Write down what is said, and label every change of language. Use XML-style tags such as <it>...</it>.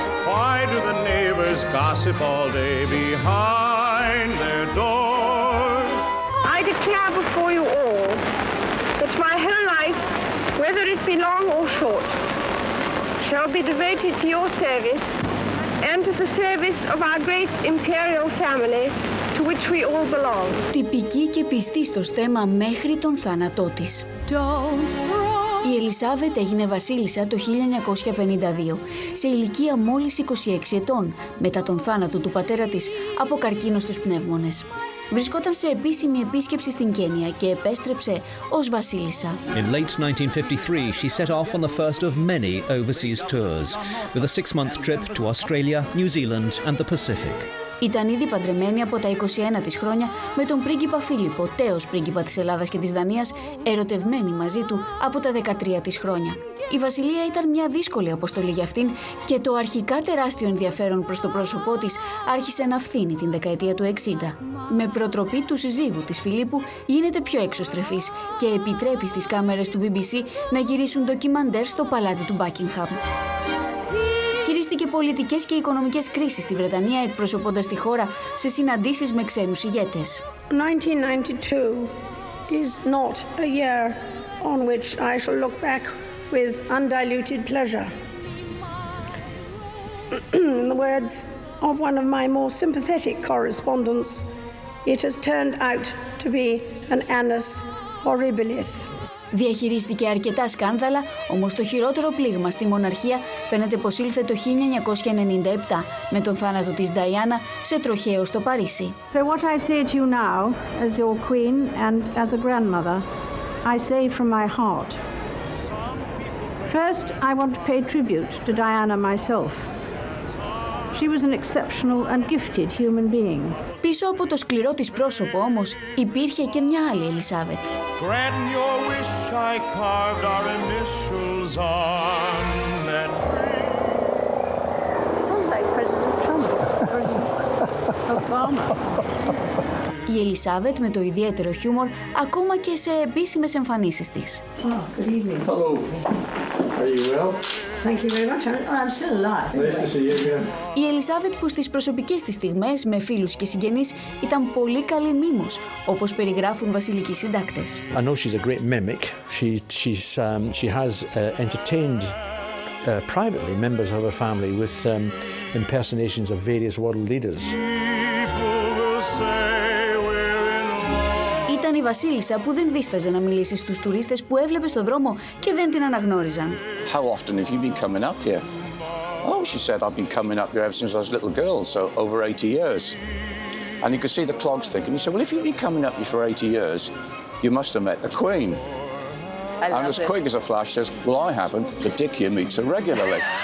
<en>Why do the neighbors gossip all day behind their doors? I declare before you all that my whole life, whether it be long or short, shall be devoted to your service and to the service of our great imperial family to which we all belong.</en> <el>Τυπική και πιστή στο στέμα μέχρι τον θάνατό της. Η Ελισάβετ έγινε βασίλισσα το 1952, σε ηλικία μόλις 26 ετών, μετά τον θάνατο του πατέρα της από καρκίνο στους πνεύμονες. Βρισκόταν σε επίσημη επίσκεψη στην Κένια και επέστρεψε ως βασίλισσα.</el> <en>In late 1953, she set off on the first of many overseas tours, with a six-month trip to Australia, New Zealand and the Pacific.</en> <el>Ήταν ήδη παντρεμένη από τα 21 της χρόνια με τον πρίγκιπα Φίλιππο, τέος πρίγκιπα της Ελλάδας και της Δανίας, ερωτευμένη μαζί του από τα 13 της χρόνια. Η βασιλεία ήταν μια δύσκολη αποστολή για αυτήν και το αρχικά τεράστιο ενδιαφέρον προς το πρόσωπό της άρχισε να φθήνει την δεκαετία του 60. Με προτροπή του συζύγου της Φιλίππου γίνεται πιο εξωστρεφής και επιτρέπει στις κάμερες του BBC να γυρίσουν ντοκιμαντέρ στο παλάτι του Buckingham. Χειρίστηκε πολιτικές και οικονομικές κρίσεις στη Βρετανία, εκπροσωπώντας τη χώρα σε συναντήσεις με ξένους ηγέτες.</el> <en>1992 is not a year on which I shall look back with undiluted pleasure. In the words of one of my more sympathetic correspondents, it has turned out to be an annus horribilis.</en> <el>Διαχειρίστηκε αρκετά σκάνδαλα, όμως το χειρότερο πλήγμα στη μοναρχία φαίνεται πως ήλθε το 1997 με τον θάνατο της Νταϊάννα σε τροχαίο στο Παρίσι.</el> <en>So what I say to you now, as your queen and as a grandmother, I say from my heart. First, I want to pay tribute to Diana myself. She was an exceptional and gifted human being.</en> <el>Πίσω από το σκληρό της πρόσωπο, όμως, υπήρχε και μια άλλη Ελισάβετ.</el> <en>Grant your wish, I carved our initials on that tree. Sounds like President Trump, President Obama.</en> <el>Η Ελισάβετ με το ιδιαίτερο χιούμορ ακόμα και σε επίσημες εμφανίσεις της.</el> <en>Oh, good evening. Hello. Are you well? Thank you very much. I'm still alive. Nice to see you again.</en> <el>Η Ελισάβετ που στις προσωπικές της στιγμές με φίλους και συγγενείς ήταν πολύ καλή μίμος, όπως περιγράφουν βασιλικοί συντάκτες.</el> <en>I know she's a great mimic. She has entertained privately members of her family with impersonations of various world leaders.</en> <el>Ήταν η Βασίλισσα που δεν δίσταζε να μιλήσει στους τουρίστες που έβλεπε στο δρόμο και δεν την αναγνώριζαν.</el> <en>How often have you been coming up here? Oh, she said, I've been coming up here ever since I was a little girl, so over 80 years. And you could see the clogs thinking. He said, well, if you've been coming up here for 80 years, you must have met the Queen. And as quick as a flash, says, well, I haven't, but Dick here meets her regularly.</en>